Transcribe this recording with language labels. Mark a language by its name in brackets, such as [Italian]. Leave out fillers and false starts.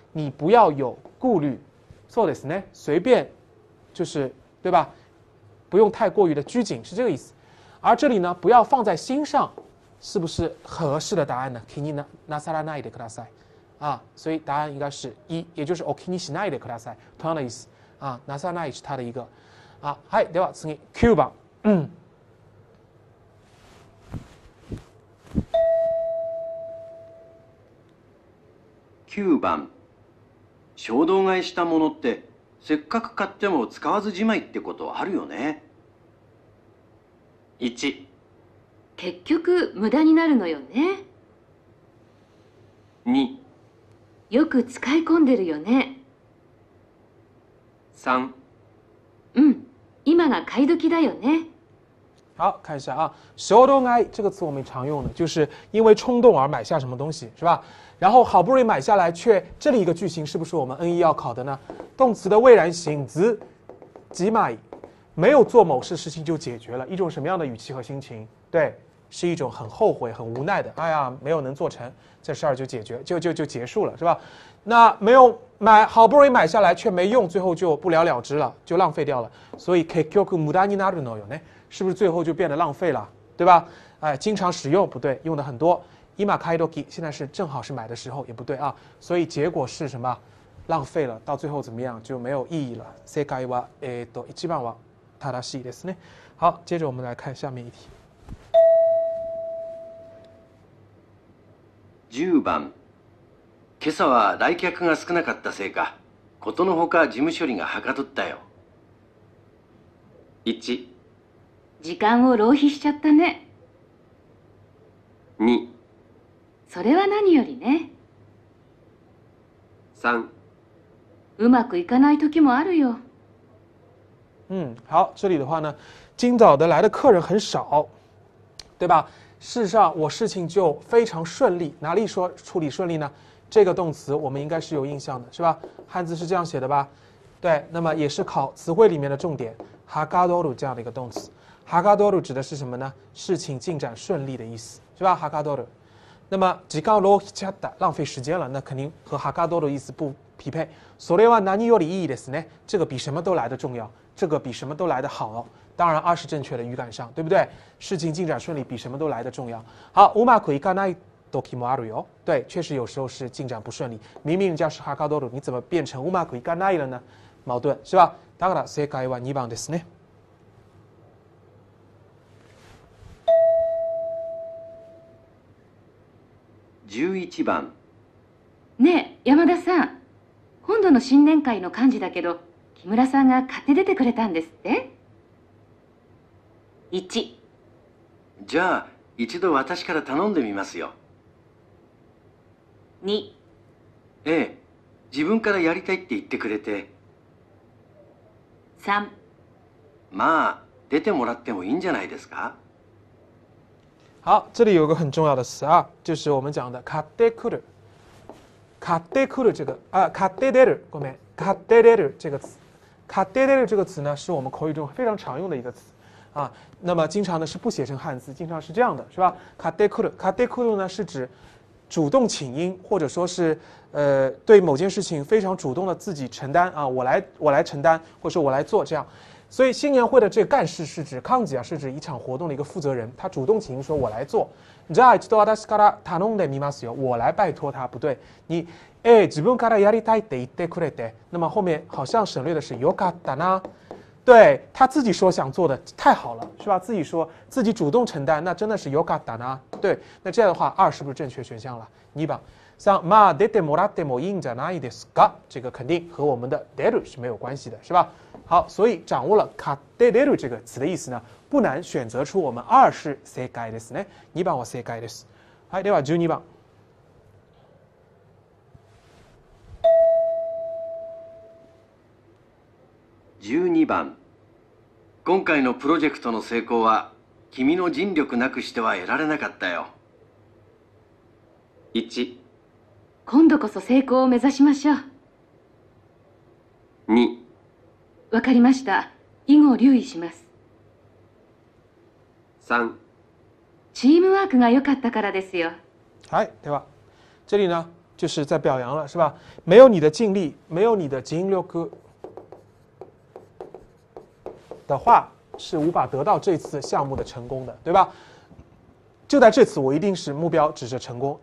[Chinese] 你不要有顾虑， [Japanese] そうですね。 [Chinese] 随便，就是对吧？不用太过于的拘谨，是这个意思。而这里呢，不要放在心上，是不是合适的答案呢？ [Japanese] 気になさらないでください。 [Chinese] 啊，所以答案应该是一，也就是 [Japanese] お気にしないでください。 [Chinese] 同样的意思啊，なさらない是它的一个啊。 [Japanese] はい、では次 Q 吧。 9番衝動買いしたものってせっかく買っても使わずじまいってことあるよね。 1 結局無駄になるのよね。 2 よく使い込んでるよね。 3 うん、今が買い時だよね。 [Chinese] 好，看一下啊，衝動買い这个词我们常用的，就是因为冲动而买下什么东西，是吧？然后好不容易买下来，却这里一个句型是不是我们 N1 要考的呢？动词的未然形ず、じまい，没有做某事事情就解决了，一种什么样的语气和心情？对，是一种很后悔、很无奈的。哎呀，没有能做成，这事儿就解决，就结束了，是吧？那没有买，好不容易买下来却没用，最后就不了了之了，就浪费掉了。所以 [Japanese] 結局無駄になるのよね， [Chinese] 是不是最后就变得浪费了，对吧？哎，经常使用不对，用的很多。 [Japanese] 今買い時， [Chinese] 现在是正好是买的时候，也不对啊。所以结果是什么？浪费了，到最后怎么样就没有意义了。 [Japanese] 正解は一番は正しいですね。 [Chinese] 好，接着我们来看下面一题。 [Japanese] 10番。今朝は来客が少なかったせいか、ことのほか事務処理がはかどったよ。 1 時間を浪費しちゃったね。 2 それは何よりね。 3 うまくいかない時もあるよ。 [Chinese] 好，这里的话呢，今早的来的客人很少，对吧？事实上我事情就非常顺利，哪里说处理顺利呢？这个动词我们应该是有印象的，是吧？汉字是这样写的吧？对，那么也是考词汇里面的重点。哈嘎多鲁这样的一个动词，哈嘎多鲁指的是什么呢？事情进展顺利的意思，是吧？哈嘎多鲁。那么 [Japanese] 時間浪費しちゃった， [Chinese] 浪费时间了，那肯定和哈嘎多鲁意思不匹配。 [Japanese] それは何よりいいですね， [Chinese] 这个比什么都来的重要，这个比什么都来的好。当然，二是正确的语感上，对不对？事情进展顺利比什么都来的重要。好， [Japanese] うまくいかない。時もあるよ， [Chinese] 对，确实有时候是进展不顺利。明明人家是哈卡多鲁，你怎么变成うまくいかない了呢？矛盾是吧？ [Japanese] だから正解は2番ですね。 11番。ねえ山田さん、今度の新年会の幹事だけど、木村さんが買って出てくれたんですって？ 1。じゃあ一度私から頼んでみますよ。 2 ええ、自分からやりたいって言ってくれて。 3 まあ、出てもらってもいいんじゃないですか。 [Chinese] 好、这里有一个很重要的词啊，就是我们讲的買ってくる。買ってくる这个啊，買って出る，ごめん、買って出る这个词。買って出る这个词呢，是我们口语中非常常用的一个词。啊，那么经常呢是不写成汉字，经常是这样的，是吧？買ってくる，買ってくる呢是指主动请缨，或者说是对某件事情非常主动的自己承担啊，我来承担，或者说我来做这样。所以新年会的这个干事是指幹事啊，是指一场活动的一个负责人，他主动请缨说我来做。 [Japanese] じゃあ一度私から頼んでみますよ， [Chinese] 我来拜托他，不对，你哎 [Japanese] 自分からやりたいって言ってくれて， [Chinese] 那么后面好像省略的是 [Japanese] よかったな， [Chinese] 对，他自己说想做的，太好了，是吧？自己说自己主动承担，那真的是 [Japanese] よかったな。 [Chinese] 对，那这样的话，二是不是正确选项了？ [Japanese] 2番。像まあ出てもらってもいいんじゃないですか？ [Chinese] 这个肯定和我们的出る是没有关系的，是吧？好，所以掌握了買って出る这个词的意思呢，不难选择出我们二是 [Japanese] 正解ですね。 2番は正解です。はい、では12番。 12番。今回のプロジェクトの成功は君の尽力なくしては得られなかったよ。 1 今度こそ成功を目指しましょう。 2 わかりました、以後留意します。 3 チームワークが良かったからですよ。はい、では [Chinese] 这里呢就是在表扬了，是吧？没有你的尽力，没有你的尽力的话，是无法得到这次项目的成功的，对吧？就在这次，我一定是目标指着成功。